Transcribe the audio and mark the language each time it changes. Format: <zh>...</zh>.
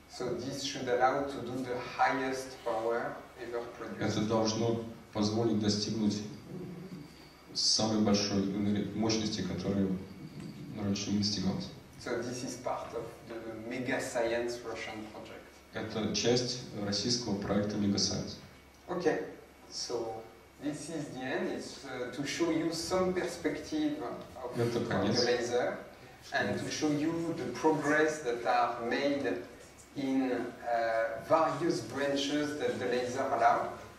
<en>So this should allow to do the highest power ever produced.</en> <ru>Это должно позволить достигнуть самой большой мощности, которую раньше не достигалось.</ru> <en>So this is part of the Mega Science Russian project.</en> <ru>Это часть российского проекта Mega Science.</ru> <en>Okay, so this is the end. It's to show you some perspective of the laser and to show you the progress that are made in various branches that the laser allow.</en>